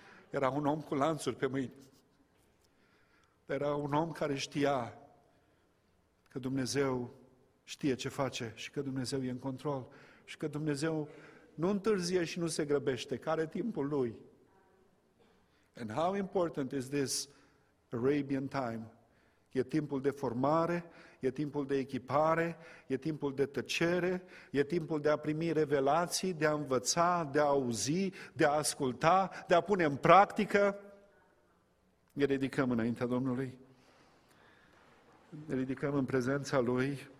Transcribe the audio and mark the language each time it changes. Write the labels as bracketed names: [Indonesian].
[Romanian] Era un om cu lanțuri pe mâini. Era un om care știa că Dumnezeu știe ce face și că Dumnezeu e în control și că Dumnezeu nu întârzie și nu se grăbește, că are timpul Lui. [English] And how important is this Arabian time? [Romanian] E timpul de formare, e timpul de echipare, e timpul de tăcere, e timpul de a primi revelații, de a învăța, de a auzi, de a asculta, de a pune în practică. Ne ridicăm înaintea Domnului, ne ridicăm în prezența Lui.